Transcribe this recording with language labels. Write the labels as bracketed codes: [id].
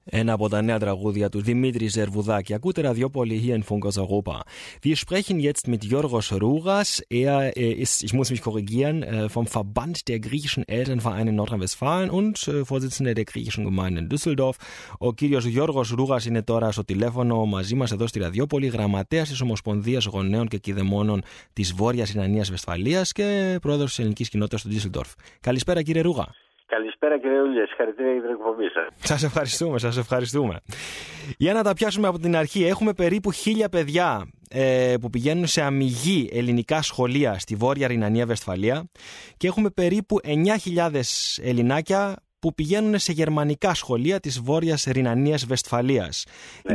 [el] Ένα από τα νέα τραγούδια του Δημήτρη Ζερβουδάκη. Ακούτε ραδιόπολη [de] hier in Funkhaus Europa. Wir sprechen jetzt mit Yorgos Rouras. Ist, ich muss mich korrigieren, vom Verband der griechischen Elternvereine in Nordrhein-Westfalen und Vorsitzender der griechischen Gemeinde in Düsseldorf. [el] Ο κύριος Γιώργος Ρούγας είναι τώρα στο τηλέφωνο μαζί μας εδώ στη Ραδιόπολη, γραμματέας της Ομοσπονδίας Γονέων και Κηδεμόνων της Βόρειας Ινανίας Βεσφαλίας και πρόεδρος της ελληνικής κοινότητας του Ντίσσελντορφ. Καλησπέρα κύριε Ρούγα. Καλησπέρα κύριε Ρούγα, συγχαρητήρια για την εκπομπή σας. Σας ευχαριστούμε, σας ευχαριστούμε. Για να τα πιάσουμε από την αρχή, έχουμε περίπου 1000 παιδιά που πηγαίνουν σε αμυγή ελληνικά σχολεία στη Βόρεια Ρινανία Βεσφαλία και έχουμε περίπου 9000 ελληνάκια που πηγαίνουν σε γερμανικά σχολεία της Βόρειας Ρινανίας Βεσφαλίας. Ναι.